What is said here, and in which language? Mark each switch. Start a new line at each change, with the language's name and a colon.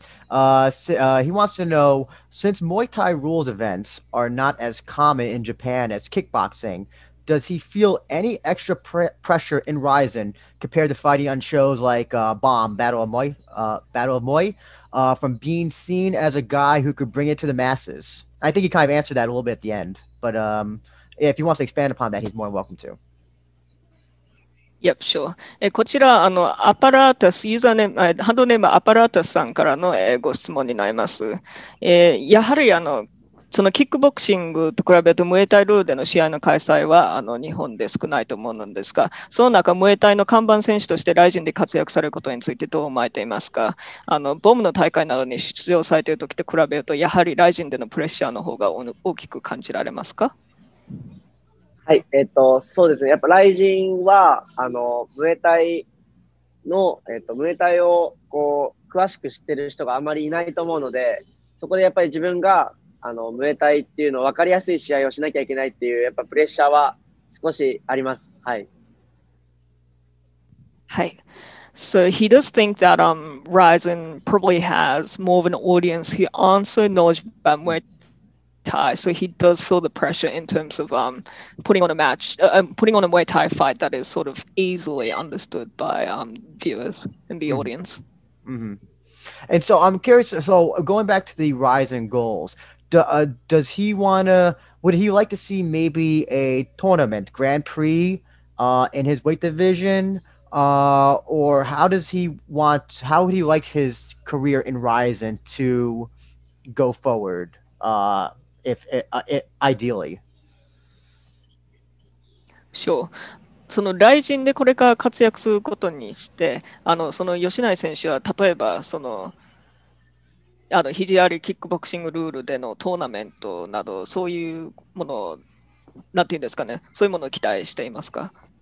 English: He wants to know, since Muay Thai rules events are not as common in Japan as kickboxing, does he feel any extra pressure in Ryzen compared to fighting on shows like Bomb, Battle of Muay, from being seen as a guy who could bring it to the masses? I think he kind of answered that a little bit at the end. But if he wants to expand upon that, he's more than welcome to. Yep, sure.
Japanese: こちらアパラータス、ユーザーネーム、ハンドネームアパラータスさんからの、ご質問になります。やはりそのキックボクシングと比べるとムエタイルールでの試合の開催は日本で少ないと思うんですが、その中ムエタイの看板選手としてライジンで活躍されることについてどう思えていますか。ボムの大会などに出場されている時と比べるとやはりライジンでのプレッシャーの方が大きく感じられますか。はい、そうですね、やっぱライジンはムエタイのムエタイをこう詳しく知ってる人があまりいないと思うので、そこでやっぱり自分がムエタイっていうのを分かりやすい試合をしなきゃいけないっていうやっぱプレッシャーは少しあります。はい、はい。
English: So he does think that Ryzen probably has more of an audience who aren't so knowledgeable about Muay ThaiTie. So he does feel the pressure in terms of putting on a Muay Thai fight that is sort of easily understood by viewers in the audience. Mm-hmm. And so I'm curious, so going back to the Ryzen goals, does he want to, would he like to see maybe a tournament, Grand Prix in his weight division? Or how does he want, how would he like his career in Ryzen to go forward, if ideally? Sure.
Japanese: そのライジンでこれから活躍することにして、あのその吉成選手は例えばそのあの肘ありキックボクシングルールでのトーナメントなど、そういうものなんていうんですかね、そういうものを期待していますか？